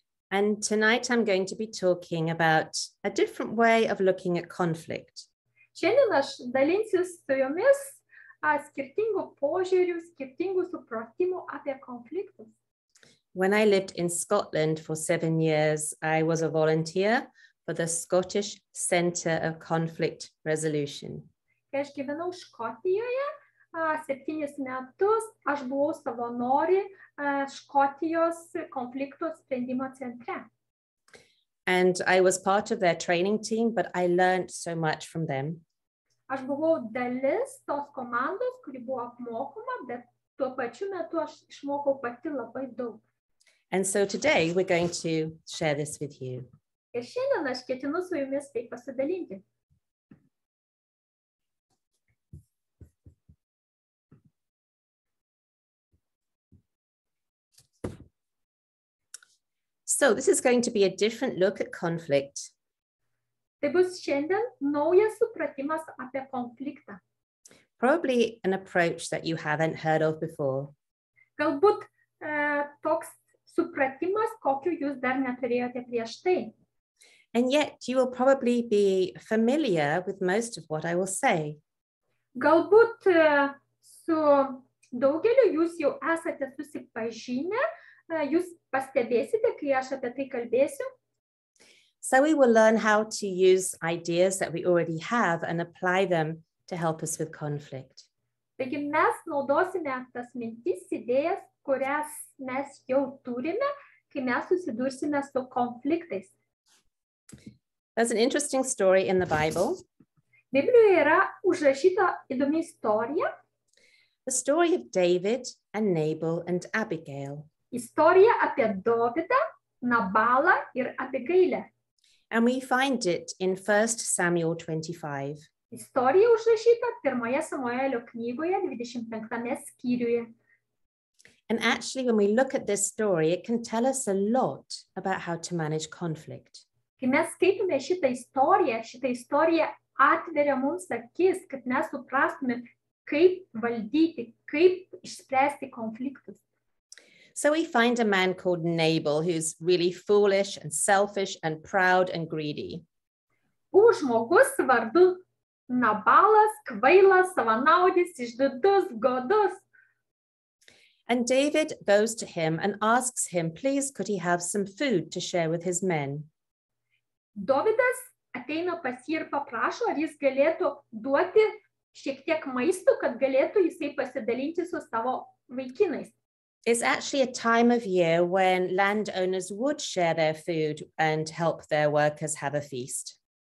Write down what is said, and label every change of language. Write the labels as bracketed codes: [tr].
[en] And tonight I'm going to be talking about a different way of looking at conflict. [lt] Šiandien aš dalinsiu su jumis skirtingų požiūrių, skirtingų supratimų apie konfliktus. [en] When I lived in Scotland for 7 years, I was a volunteer for the Scottish Centre of Conflict Resolution. [lt] Kai aš gyvenau Škotijoje 7 metus, aš buvau savanorė Škotijos konflikto sprendimo centre. [en] And I was part of their training team, but I learned so much from them. [lt] Aš buvau dalis tos komandos, kuri buvo apmokoma, bet tuo pačiu metu aš išmokau pati labai daug. [en] And so today we're going to share this with you. [lt] Ir šiandien aš ketinu su jumis tai pasidalinti. [en] So this is going to be a different look at conflict. [lt] Tai bus šiandien naujas supratimas apie konfliktą. [en] Probably an approach that you haven't heard of before. [lt] Galbūt toks supratimas, kokiu jūs dar neturėjote prieš tai. [en] And yet you will probably be familiar with most of what I will say. [lt] Galbūt su daugeliu jūs jau esate susipažinę, jūs pastebėsite, kai aš apie tai kalbėsiu. [en] So we will learn how to use ideas that we already have and apply them to help us with conflict. [lt] Taigi mes naudosime tas mintis, idėjas, kurias mes jau turime, kai mes susidursime su konfliktais. [en] There's an interesting story in the Bible. [lt] Biblijoje yra užrašyta įdomi istorija. [en] The story of David and Nabal and Abigail. [lt] Istorija apie Dovydą, Nabalą ir Abigailę. [en] And we find it in 1 Samuel 25. [lt] Istorija užrašyta pirmoje Samuelio knygoje 25 skyriuje. [en] And actually, when we look at this story, it can tell us a lot about how to manage conflict. [lt] Kai mes skaitome šitą istoriją atveria mums akis, kad mes suprastume, kaip valdyti, kaip išspręsti konfliktus. [en] So we find a man called Nabal, who's really foolish and selfish and proud and greedy. [lt] Buvo žmogus vardu Nabalas, kvailas, savanaudis, išdidus, godus. [en] And David goes to him and asks him, please, could he have some food to share with his men? [lt] Dovydas ateina pas jį ir paprašo, ar jis galėtų duoti šiek tiek maisto, kad galėtų jisai pasidalinti su savo vaikinais. [en] It's actually a time of year when landowners would share their food and help their workers have a feast.